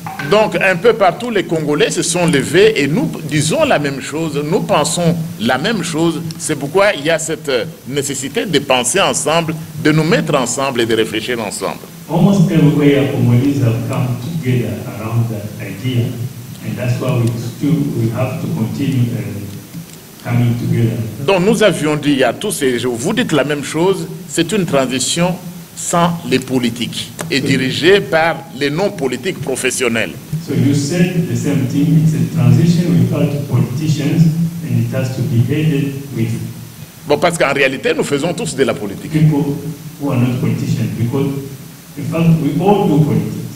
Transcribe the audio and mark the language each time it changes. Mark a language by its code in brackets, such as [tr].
[fr] Donc, un peu partout, les Congolais se sont levés et nous disons la même chose, nous pensons la même chose. C'est pourquoi il y a cette nécessité de penser ensemble, de nous mettre ensemble et de réfléchir ensemble. [en] Almost everywhere the Congolese have come together around that idea, and that's why we have to continue coming together. [fr] Donc nous avions dit à tous, et je vous dis la même chose, c'est une transition sans les politiques et dirigée par les non-politiques professionnels. [en] So you said the same thing, it's a transition without politicians, and it has to be headed with. [fr] Bon, parce qu'en réalité, nous faisons tous de la politique. [en] People who are not politicians, because in fact, we all do politics.